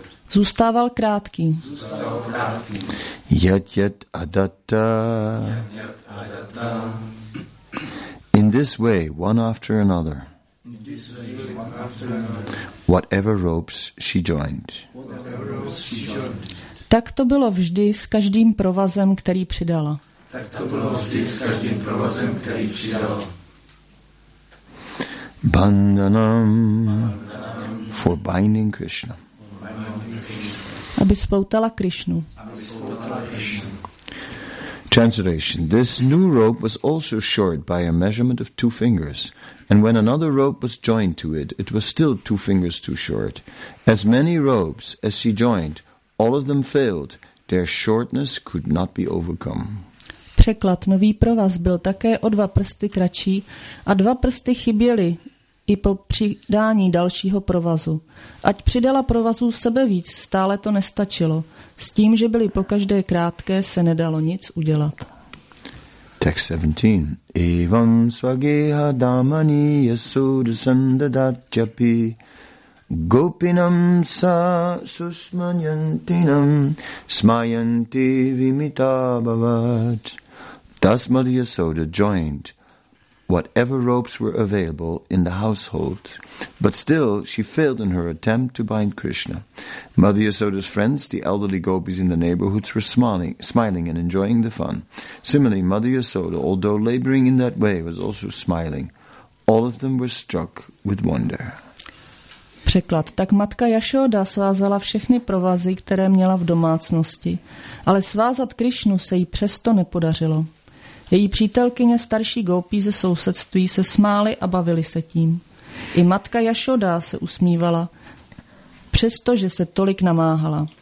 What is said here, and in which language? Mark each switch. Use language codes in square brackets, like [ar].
[cs] Zůstával krátký. [sa] Yad-yad adatta. [en] In this way, one after another. Whatever ropes she joined. [cs] Tak to bylo vždy s každým provazem, který přidala. [en] Bandhanam. For binding Krishna. [cs] A aby spoutala Krišnu. [en] Translation: this new rope was also short by a measurement of 2 fingers, and when another rope was joined to it, it was still 2 fingers too short. As many ropes as she joined, all of them failed. Their shortness could not be overcome. [cs] Překlad: nový provaz byl také o 2 prsty kratší a 2 prsty chyběly i po přidání dalšího provazu. Ať přidala provazů sebe víc, stále to nestačilo. S tím, že byly po každé krátké, se nedalo nic udělat. [sa] Text 17. Evam svageha damani yasu dasandadachapi gopinam sa susmanyantinam smayanti vimitabhavat. [en] Thus Mother Yasoda joined whatever ropes were available in the household. But still, she failed in her attempt to bind Krishna. Mother Yasoda's friends, the elderly gopis in the neighborhoods, were smiling and enjoying the fun. Similarly, Mother Yasoda, although laboring in that way, was also smiling. All of them were struck with wonder. [cs] Překlad: tak matka Yasoda svázala všechny provazy, které měla v domácnosti. Ale svázat Krišnu se jí přesto nepodařilo. Její přítelkyně, starší gopí ze sousedství, se smály a bavily se tím. I matka Yasoda se usmívala, přestože se tolik namáhala.